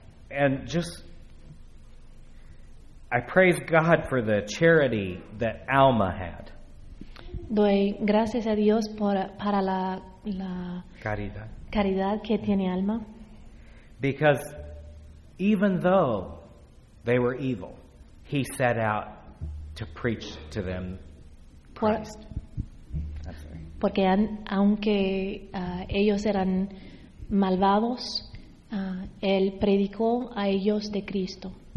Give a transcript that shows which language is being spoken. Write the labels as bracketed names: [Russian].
[English] And just I praise God for the charity that Alma had. [Spanish] Doy gracias a Dios para la caridad que tiene Alma. [English] Because even though they were evil, he set out to preach to them Christ. [Spanish] Porque aunque ellos eran malvados, él predicó a ellos de Cristo.